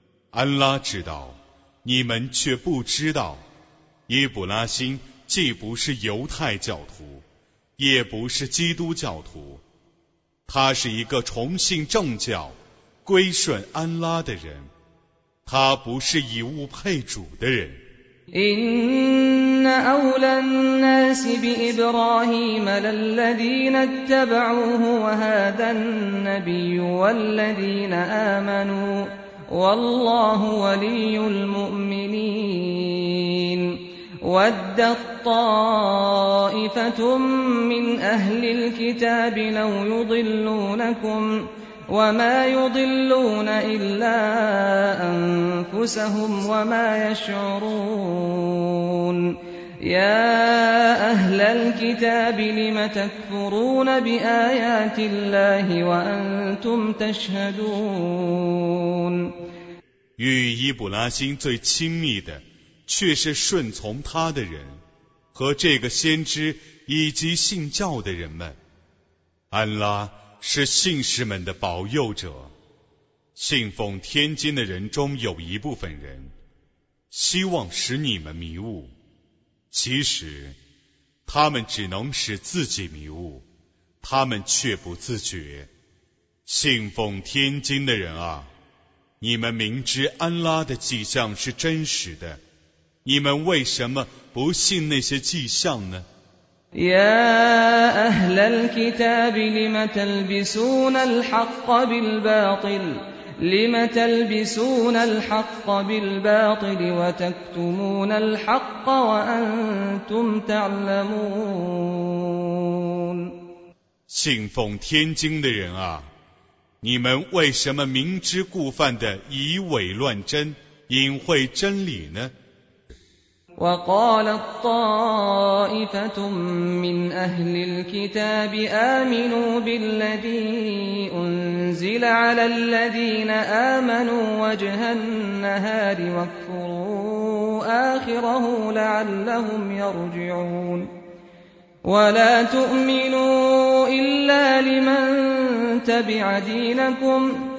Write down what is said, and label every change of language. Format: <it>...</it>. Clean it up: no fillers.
<zh>安拉知道，你们却不知道。伊卜拉欣既不是犹太教徒，也不是基督教徒，他是一个崇信正教归顺安拉的人，他不是以物配主的人。</zh> <ar>إن أولى الناس بإبراهيم للذين اتبعوه وهذا النبي والذين آمنوا والله ولي المؤمنين ودت طائفة من أهل الكتاب لو يضلونكموَمَا يُضِلُّونَ إِلَّا أَنفُسَهُمْ وَمَا يَشْعُرُونَ يَا أَهْلَ الْكِتَابِ لِمَ تَكْفُرُونَ بِآيَاتِ اللَّهِ وَأَنْتُمْ تَشْهَدُونَ</ar> <zh>与伊卜拉欣最亲密的却是顺从他的人和这个先知以及信教的人们，安拉是信士们的保佑者。信奉天经的人中有一部分人希望使你们迷误，其实他们只能使自己迷误，他们却不自觉。信奉天经的人啊，你们明知安拉的迹象是真实的，你们为什么不信那些迹象呢？</zh> <ar>يا أهل الكتاب لم تلبسون الحق بالباطل لم تلبسون الحق بالباطل وتكتمون الحق وأنتم تعلمون</ar> <zh>信奉天经的人啊，你们为什么明知故犯的以伪乱真，隐晦真理呢？</zh> <ar>وقال الطائفة من أهل الكتاب آمنوا بالذي أنزل على الذين آمنوا وجه النهار واكفروا آخره لعلهم يرجعون ولا تؤمنوا إلا لمن تبع دينكم</ar>